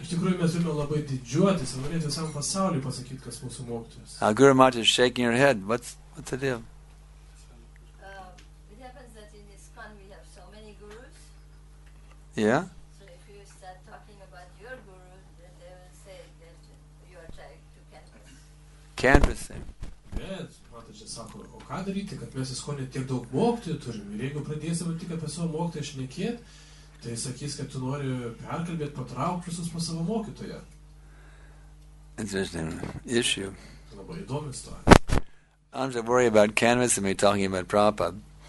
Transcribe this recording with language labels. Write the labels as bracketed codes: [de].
[en] Guru Maharaj is shaking your head. What's the deal? It happens that in ISKCON we have so many gurus. Yeah? So if you start talking about your guru, then they will say that you are trying to canvass. Canvass him. Yes. [lt] Sako, o ką daryti, kad mes įskonį tiek daug mokytojų turim, ir jeigu pradėsime tik apie savo mokytoją šnekėti, tai sakys, kad tu nori perkalbėti, patraukti visus pas savo mokytoją. [en] Interesting issue. [lt] Labai įdomi istorija. [en] I'm just worried about canvas and me talking about Prabhupada.